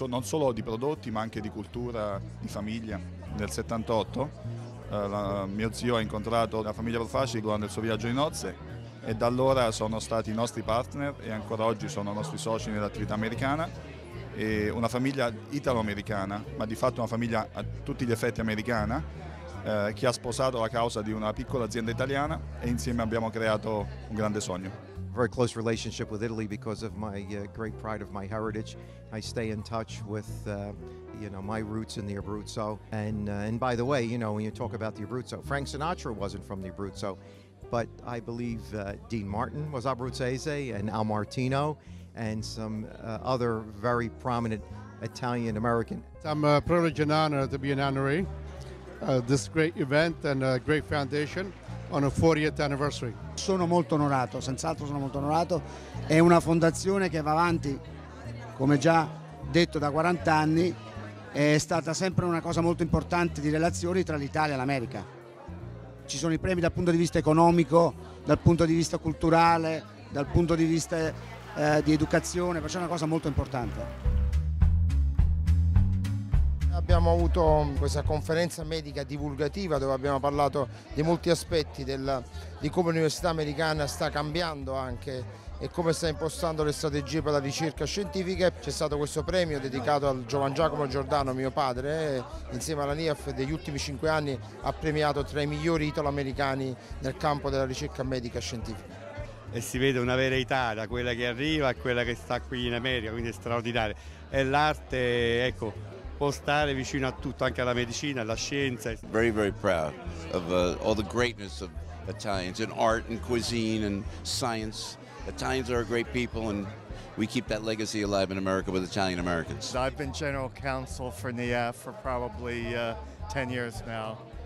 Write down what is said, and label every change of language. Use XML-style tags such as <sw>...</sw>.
<it>Non solo di prodotti, ma anche di cultura, di famiglia. Nel 78 mio zio ha incontrato la famiglia Profaci durante il suo viaggio di nozze, e da allora sono stati i nostri partner e ancora oggi sono nostri soci nell'attività americana. E una famiglia italo-americana, ma di fatto una famiglia a tutti gli effetti americana, che ha sposato la causa di una piccola azienda italiana, e insieme abbiamo creato un grande sogno.</it> <en>Very close relationship with Italy because of my great pride of my heritage. I stay in touch with my roots in the Abruzzo, and by the way, when you talk about the Abruzzo, Frank Sinatra wasn't from the Abruzzo, but I believe Dean Martin was Abruzzese, and Al Martino, and some other very prominent Italian American. I'm a privilege and honor to be an honoree this great event and a great foundation on a 40th anniversary.</en> <it>Sono molto onorato, senz'altro sono molto onorato. È una fondazione che va avanti, come già detto, da 40 anni. È stata sempre una cosa molto importante di relazioni tra l'Italia e l'America. Ci sono i premi dal punto di vista economico, dal punto di vista culturale, dal punto di vista di educazione, perciò è una cosa molto importante. Abbiamo avuto questa conferenza medica divulgativa dove abbiamo parlato di molti aspetti di come l'università americana sta cambiando anche e come sta impostando le strategie per la ricerca scientifica. C'è stato questo premio dedicato al Giovan Giacomo Giordano, mio padre, insieme alla NIAF degli ultimi 5 anni ha premiato tra i migliori italo-americani nel campo della ricerca medica scientifica. E si vede una vera Italia, quella che arriva e quella che sta qui in America, quindi è straordinario. E l'arte, ecco, può stare vicino a tutto, anche alla medicina, alla scienza.</it> <en>Very, very proud of all the greatness of Italians in art and cuisine and science. Italians are a great people and we keep that legacy alive in America with Italian Americans. I've been general counsel for NIAF for probably 10 years now.</en>